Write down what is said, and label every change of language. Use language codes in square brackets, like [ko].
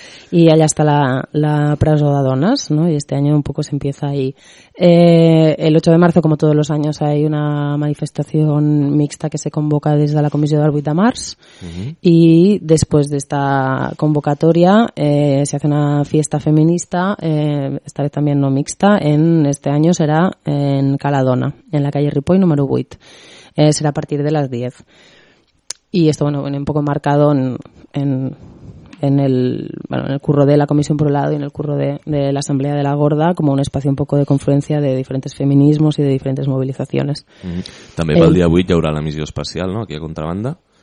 [ca] I allà està la presó de dones, ¿no? [es] Y este año un poco se empieza ahí. El 8 de marzo, como todos los años, hay una manifestación mixta que se convoca desde la comisión del 8 de març. Uh-huh. Y después de esta convocatoria se hace una fiesta feminista, esta vez también no mixta, este año será en Caladona, en la calle Ripoll número 8. Será a partir de las 10. Y esto, bueno, viene un poco marcado en el curro de la comisión por un lado, y en el curro de la Asamblea de la Gorda, como un espacio un poco de confluencia de diferentes feminismos y de diferentes movilizaciones. Mm-hmm. [ca] També pel dia 8 hi haurà la missió especial, no?, aquí a Contrabanda.